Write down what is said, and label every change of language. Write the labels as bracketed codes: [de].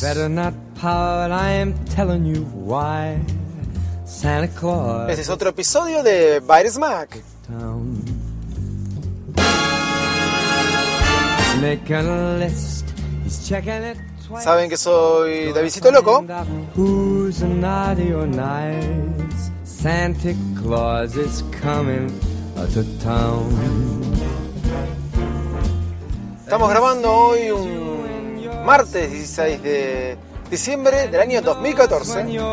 [en] Better not pout, I'm telling you why. Santa Claus. [es] Este es otro episodio de Bite Smack. [en] Making a list. He's checking it twice. [es] Saben que soy Davidito Loco. [en] Who's naughty or nice? Santa Claus is coming to town. [es] Estamos grabando hoy un martes 16 de diciembre del año 2014.